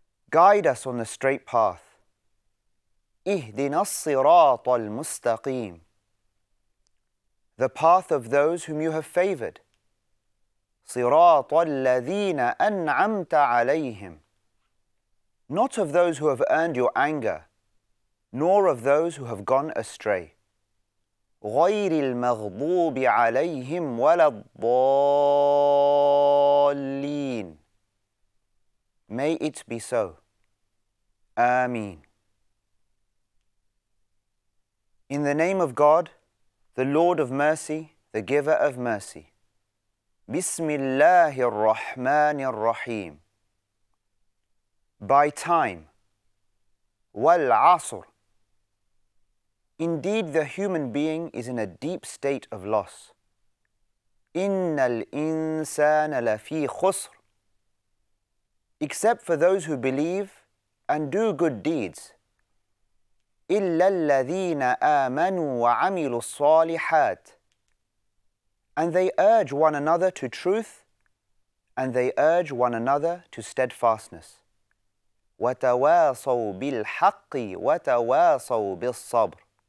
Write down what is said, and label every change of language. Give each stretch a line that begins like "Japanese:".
English: Guide us on the straight path.
Arabic: اهدنا الصراط المستقيم.
English: The path of those whom you have favored.
Arabic: صراط الذين أنعمت عليهم.
English: Not of those who have earned your anger, nor of those who have gone astray.
Arabic: غير المغضوب عليهم ولا الضالين.
English: May it be so. Ameen. In the name of God, the Lord of mercy, the giver of mercy.
Arabic: بسم الله الرحمن الرحيم.
English: By time.
Arabic: والعصر.
English: Indeed, the human being is in a deep state of loss.
Arabic: إن الإنسان لفي خسر.
English: Except for those who believe and do good deeds.
Arabic: إلا الذين آمنوا وعملوا الصالحات.
English: And they urge one another to truth, and they urge one another to steadfastness.
Arabic: وتواصوا بالحق وتواصوا بالصبر.